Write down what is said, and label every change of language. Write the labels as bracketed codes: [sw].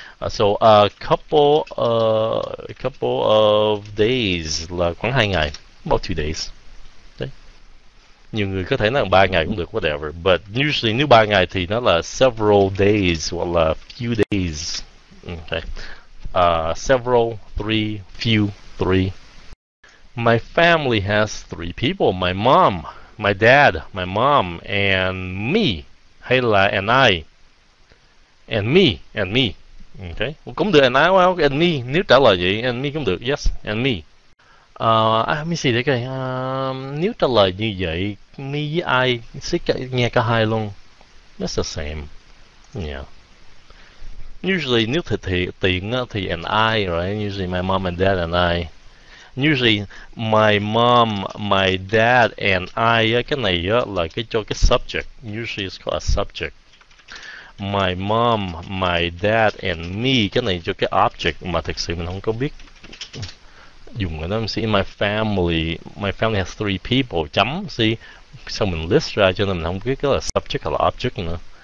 [en] So a couple of days [vi] là khoảng hai ngày, [en] about 2 days. Okay. [vi] Nhiều người có thể nói là ba ngày cũng được, whatever. But usually nếu ba ngày thì nó là several days hoặc là few days. [en] Okay. Several, three, few, three. My family has three people: my mom, my dad, my mom, and me. [vi] Hay là [en] and I, and me. Okay, [vi] cũng được. [en] And I, well, and me. [vi] Nếu trả lời vậy, [en] and me cũng được. Yes, and me. Let me see [vi] đây coi. Nếu trả lời như vậy, me với I sẽ nghe cả hai luôn. [en] That's the same. Yeah. Usually, [vi] nếu thì tiện thì [en] and I, right? Usually, my mom and dad and I. Usually my mom, my dad and I, [vi] cái này là cái cho cái [en] subject, usually it's called a subject. My mom, my dad and me, [vi] cái này cho cái object mà thực sự mình không có biết dùng ở đó. See, [en] my family has three people, [vi] chấm, see, sao mình list ra cho nên mình không biết cái là subject hay là object nữa.